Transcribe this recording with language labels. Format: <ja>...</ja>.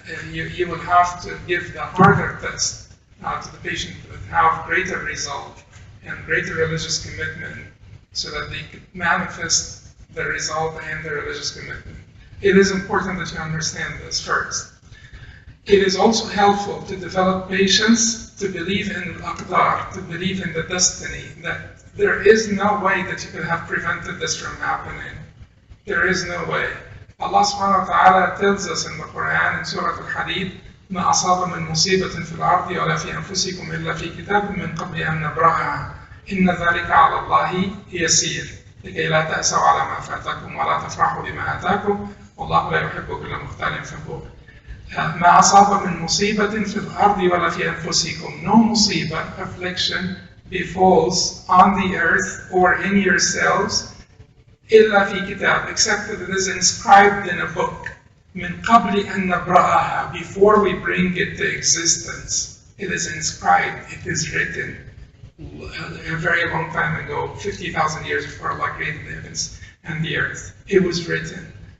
<en>You will have to give the harder test to the patient that have greater result and greater religious commitment, so that they can manifest the result and the religious commitment. It is important that you understand this first. It is also helpful to develop patience to believe in al-aqdar, to believe in the destiny, that there is no way that you could have prevented this from happening. There is no way. Allah subhanahu wa ta'ala tells us in the Quran, in Surah Al-Hadid,</en> <ar>مَا أَصَابَ مِنْ مُصِيبَةٍ فِي الْعَرْضِ وَلَا فِي أَنفُسِكُمْ إِلَّا فِي كِتَابٍ مِنْ قَبْلِ أَنْ نَبْرَأَهَا إِنَّ ذَلِكَ عَلَى اللَّهِ يَسِيرٌ لِكَيْ لَا تَأْسَوْا عَلَى مَا فَاتَكُمْ وَلَا تَفْرَحُوا بِمَا آتَاكُمْ وَاللَّهُ لَا يُحِبُّ كُلَّ مُخْتَالٍ فَخُورٍ. مَا أَصَابَ مِنْ مُصِيبَةٍ فِي الْأَرْضِ وَلَا فِي أَنفُسِكُمْ.</ar> <en>No musibah, affliction, befalls on the earth or in yourselves,</en> <ar>إِلَّا فِي كِتَابٍ,</ar> <en>except that it is inscribed in a book.</en> <ar>من قبل أن نبرأها,</ar> <en>before we bring it to existence, it is inscribed, it is written a very long time ago, 50,000 years before Allah created the heavens and the earth. It was written.</en>